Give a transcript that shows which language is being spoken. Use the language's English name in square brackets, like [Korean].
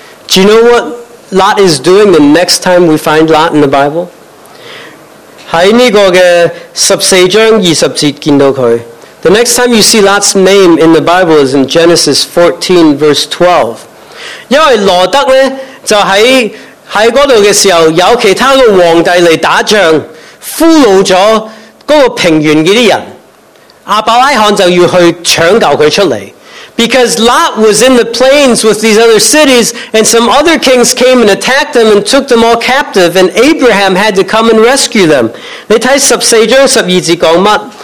[English] ？Do you know what Lot is doing the next time we find Lot in the Bible? [Cantonese] 喺呢个嘅十四章二十节见到佢。 [English] The next time you see Lot's name in the Bible is in Genesis 14 verse 12. [Cantonese] 因为罗德呢，就喺嗰度嘅时候，有其他嘅皇帝嚟打仗，俘虏咗嗰个平原嗰啲人，阿伯拉罕就要去抢救佢出嚟。 [English] Because Lot was in the plains with these other cities, and some other kings came and attacked them and took them all captive, and Abraham had to come and rescue them. [Cantonese] 你睇十四章十二节讲乜？